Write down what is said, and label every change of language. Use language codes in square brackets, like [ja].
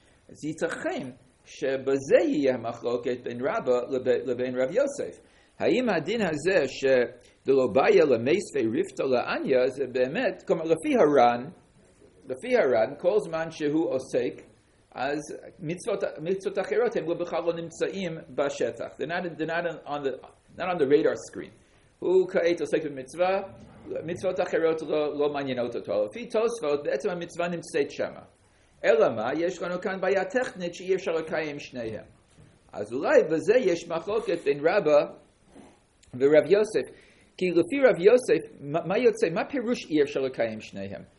[he] אז ייתכן שבזה יהיה המחלוקת בין רבא לבין רב יוסף. האם הדין הזה שדלובאיה למספי ריפטו לעניה, זה באמת, כלומר לפי הרן, כל זמן שהוא עוסק, אז מצוות אחרות הם בכלל לא נמצאים בשטח. [en] They're not on the radar screen. [he] הוא כעת עוסק במצווה, מצוות אחרות לא מעניינות אותו. לפי תוספות, בעצם המצווה נמצאת שם. אלא מה? יש לנו כאן בעיה טכנית שאי אפשר לקיים שניהם. אז אולי בזה יש מחלוקת בין רבא ורב יוסף, כי לפי רב יוסף, מה יוצא, מה פירוש אי אפשר לקיים שניהם?